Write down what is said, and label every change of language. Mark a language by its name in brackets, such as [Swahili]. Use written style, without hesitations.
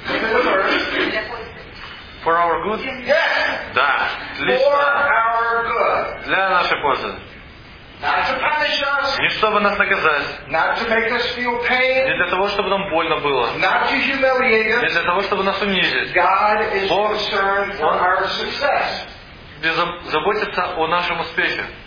[English] The verse. For our good. Yes. [Russian] Да. [English] For our good. [Russian] Для нашей пользы. [English] Not to punish us. [Russian] Не чтобы нас наказать. [English] Not to make us feel pain. [Russian] Не для того, чтобы нам больно было. [English] Not to humiliate us. [Russian] Не для того, чтобы нас унизить. [English] God is concerned for our success. [Russian] Заботится о нашем успехе.